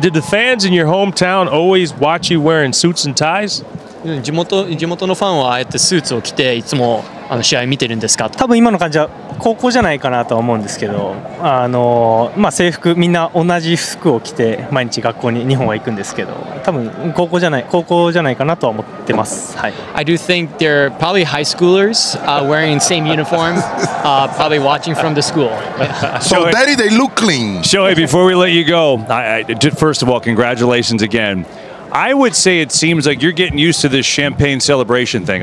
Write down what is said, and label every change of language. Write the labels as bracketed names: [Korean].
[English] Did the fans in your hometown always watch you wearing suits and ties? [Japanese] 地元のファンはあえてスーツを着ていつも試合見てるんですか?多分今の感じは高校じゃないかなと思うんですけど、制服みんな同じ服を着て毎日学校に日本は行くんですけど、多分高校じゃないかなとは思ってます。 [English] I do think they're probably high schoolers wearing the same uniform, probably watching from the school. So Daddy, they look clean. Shohei, before we let you go, first of all, congratulations again. I would say it seems like you're getting used to this champagne celebration thing.